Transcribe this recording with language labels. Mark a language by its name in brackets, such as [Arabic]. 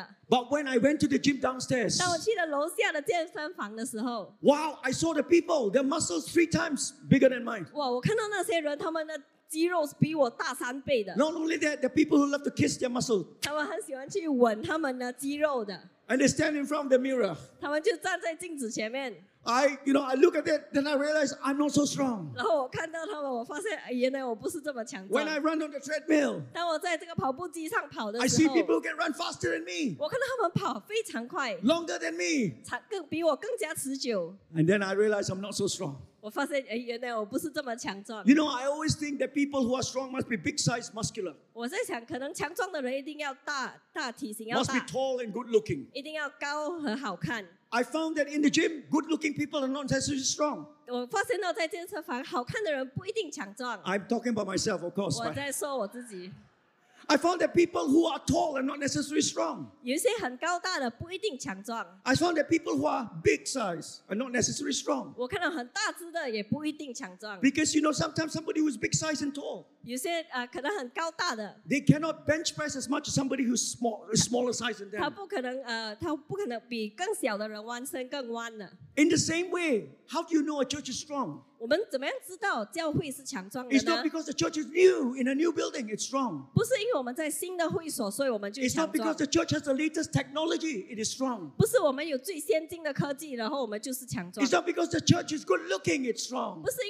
[English] But when I went to the gym downstairs, wow, I saw the people, their muscles three times bigger than mine. [Chinese] Wow, 我看到那些人，他们的肌肉是比我大三倍的。 [English] Not only that, the people who love to kiss their muscles. And they stand in front of the mirror. [Chinese] 他们就站在镜子前面。 [English] I look at it, then I realize I'm not so strong. [Chinese] 然后我看到他们，我发现原来我不是这么强壮。 [English] When I run on the treadmill, [Chinese] 当我在这个跑步机上跑的时候, [English] I see people get run faster than me. [Chinese] 我看到他们跑非常快, [English] longer than me. [Chinese] 比我更加持久。 [English] And then I realize I'm not so strong. [Chinese] 我发现原来我不是这么强壮。 [English] I always think that people who are strong must be big size muscular. [Chinese] 我在想，可能强壮的人一定要大体型，要大。 [English] Must be tall and good looking. [Chinese] 一定要高和好看。 [English] I found that in the gym, good-looking people are not necessarily strong. I'm talking about myself, of course. [Chinese] 我在说我自己。 [English] I found that people who are tall are not necessarily strong. [Chinese] 有些很高大的不一定强壮。 [English] I found that people who are big size are not necessarily strong. [Chinese] 我看到很大只的也不一定强壮。 [English] Because sometimes somebody who's big size and tall, [Chinese] 有些可能很高大的, [English] they cannot bench press as much as somebody who's smaller size than them. [Chinese] 他不可能比更小的人弯身更弯的。 [English] In the same way, how do you know a church is strong? It's not because the church is new, in a new building, it's strong. It's not because the church has the latest technology, it is strong. It's not because the church is good looking, it's strong.